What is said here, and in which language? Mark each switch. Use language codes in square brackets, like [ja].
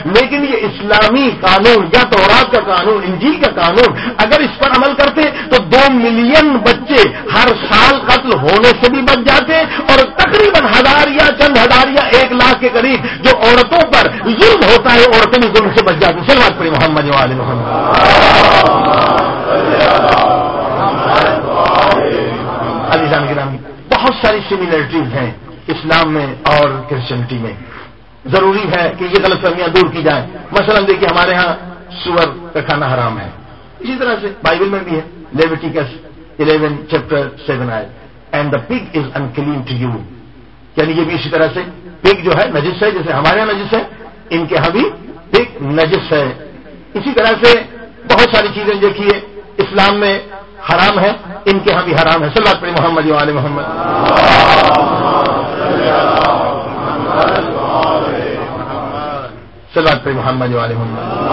[ur] لیکن یہ اسلامی قانون یا تورات کا قانون, انجیل کا قانون اگر اس پر عمل کرتے تو 2 ملین بچے ہر سال قتل ہونے سے بھی بچ جاتے, اور تقریباً 1,00,000 یا 1,00,000 کے قریب جو عورتوں پر ظلم ہوتا ہے عورتوں بھی ظلم سے بچ جاتے. سلوات پڑھیے محمد و آل محمد. عزیزان گرامی, بہت ساری سملرٹیز ہیں اسلام میں اور کرسچینٹی میں. ضروری ہے کہ یہ غلط فہمیاں دور کی جائیں. مثلا دیکھیں ہمارے ہاں سور کا کھانا حرام ہے, اسی طرح سے بائبل میں بھی ہے. لیویٹیکس 11:7 آئے, [en] and the pig is unclean to you, [ur] یعنی یہ بھی اسی طرح سے پگ جو ہے نجس ہے. جیسے ہمارے ہاں نجس ہے, ان کے ہاں بھی پگ نجس ہے. اسی طرح سے بہت ساری چیزیں دیکھیے اسلام میں حرام ہے, ان کے ہاں بھی حرام ہے. صلوات پڑھیے محمد و آل محمد. صلوات پڑھیے محمد و آل محمد.